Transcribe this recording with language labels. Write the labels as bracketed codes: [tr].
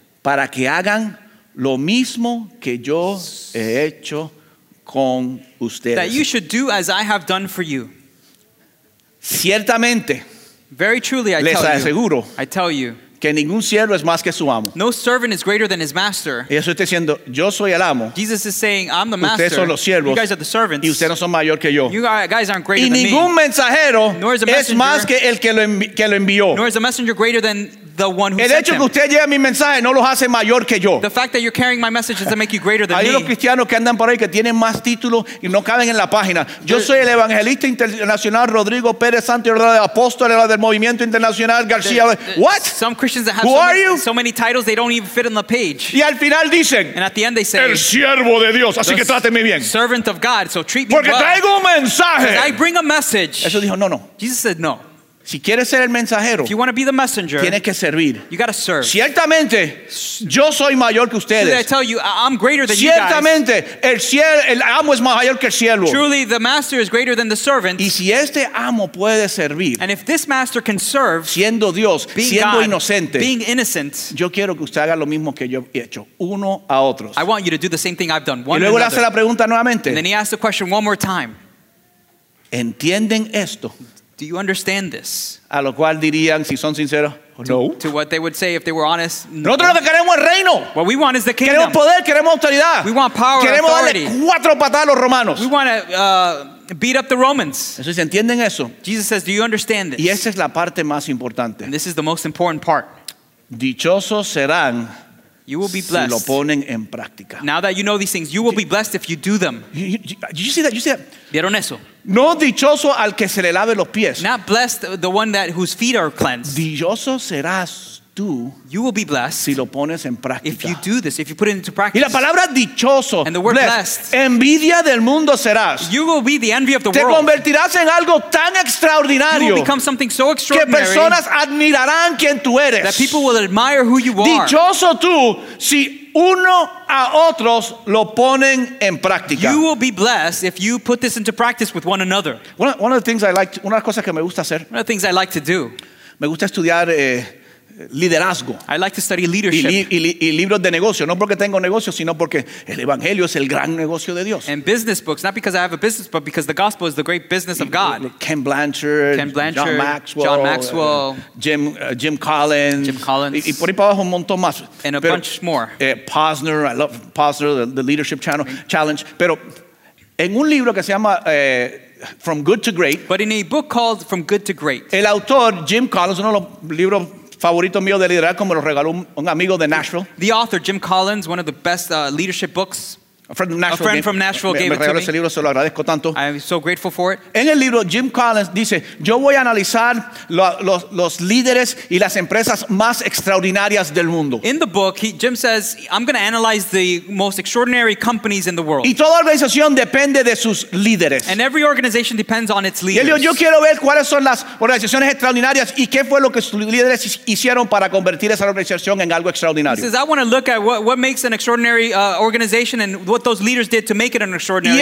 [es] Para que hagan lo mismo que yo he hecho con ustedes. [en] That you should do as I have done for you. [es] Ciertamente. [en] Very truly, I [es] les [en] tell [es] aseguro. [en] You, I tell you. [es] Que ningún siervo es más que su amo. [en] No servant is greater than his master. [es] Y eso está diciendo, yo soy el amo. [en] Jesus is saying, I'm the master. [es] Ustedes son los siervos. [en] You guys are the servants. [es] Y ustedes no son mayor que yo. [en] You guys aren't greater [es] y [en] than me. [es] Y ningún mensajero [en] nor is a messenger, [es] es más que el que lo envió. [en] Nor is a messenger greater than the one who [es] el [en] sent [es] hecho que usted lleve mi mensaje no los hace mayor que yo. [en] The fact that you're carrying my message doesn't make you greater than [es] hay [en] me. [es] Hay los cristianos que andan por ahí que tienen más títulos y no caben en la página. Yo soy el evangelista internacional Rodrigo Pérez Santos, el apóstol del movimiento internacional García. [en] What? Some Christians that have so many titles they don't even fit on the page. [es] Y al final dicen, [en] and at the end they say, [es] el siervo de Dios, así que tráteme bien. [en] Servant of God, so treat me [es] porque [en] well. [es] Porque traigo un mensaje. [en] I bring a message. [es] Eso dijo, no. [en] Jesus said no. [es] Si quieres ser el mensajero, [en] if you want to be the messenger, [es] tienes que servir. [en] You got to serve. [es] Ciertamente, yo soy mayor que ustedes. [en] Truly, I tell you, I'm greater than [es] Ciertamente, [en] you guys. [es] El cielo, el amo es mayor que el cielo. [en] Truly, the master is greater than the servant. [es] Y si este amo puede servir, [en] and if this master can serve, [es] siendo Dios, [en] being [es] siendo [en] God, [es] inocente, [en] being innocent, [es] yo quiero que usted haga lo mismo que yo he hecho, uno a otros. [en] I want you to do the same thing I've done. One [es] y luego [en] another. [es] Le hace la pregunta nuevamente. [en] And then he asks the question one more time. [es] ¿Entienden esto? [en] Do you understand this? [es] A lo cual dirían, si son sinceros, no. [en] To what they would say if they were honest. [es] Nosotros lo que queremos es reino. [en] What we want is the kingdom. [es] Queremos poder, queremos autoridad. [en] We want power, [es] queremos [en] authority. [es] Queremos darle cuatro patadas a los romanos. [en] We want to beat up the Romans. [es] Entonces, ¿entienden eso? [en] Jesus says, do you understand this? [es] Y esa es la parte más importante. [en] And this is the most important part. [es] Dichosos serán. [en] You will be blessed. [es] Si lo ponen en práctica. [en] Now that you know these things, you will be blessed if you do them. You see that? You see that? [es] ¿Vieron eso? No dichoso al que se le lave los pies. [en] Not blessed the one that whose feet are cleansed. [es] Dichoso serás tú. [en] You will be blessed. [es] Si lo pones en práctica. [en] If you do this, if you put it into practice. [es] Y la palabra dichoso. [en] And the word blessed. [es] Envidia del mundo serás. [en] You will be the envy of the [es] Te [en] world. [es] Te convertirás en algo tan extraordinario. [en] You will become something so extraordinary. [es] Que personas admirarán quién tú eres. [en] That people will admire who you are. [es] Dichoso tú si uno a otros lo ponen en práctica. [en] You will be blessed if you put this into practice with one another. One of the things I like, [es] una cosa que me gusta hacer. [en] One of the things I like to do. [es] Me gusta estudiar liderazgo. [en] I like to study leadership. [es] Y libros de negocio, no porque tengo negocio, sino porque el evangelio es el gran negocio de Dios. [en] And business books, not because I have a business, but because the gospel is the great business of God. Ken Blanchard, John Maxwell, Jim Collins. Jim Collins. [es] Y por ahí para abajo un montón más. [en] And a [es] pero, [en] bunch more. Posner, I love Posner, the leadership channel, challenge. [es] Pero en un libro que se llama From Good to Great. [en] But in a book called From Good to Great. [es] El autor, Jim Collins, uno de los libros favorito mío de liderazgo me lo regaló un amigo de Nashville. [en] The author Jim Collins, one of the best leadership books. A friend from Nashville gave it to me. [es] Me regaló ese libro, se lo agradezco tanto. [en] I'm so grateful for it. [es] En el libro Jim Collins dice, "Yo voy a analizar los líderes y las empresas más extraordinarias del mundo." [en] In the book, Jim says, "I'm going to analyze the most extraordinary companies in the world." [es] Y toda organización depende de sus líderes. [en] And every organization depends on its leaders. [es] Y él dijo, "Yo quiero ver cuáles son las organizaciones extraordinarias y qué fue lo que sus líderes hicieron para convertir esa organización en algo extraordinario." [en] He says, "I want to look at what makes an extraordinary organization and what those leaders did to make it an extraordinary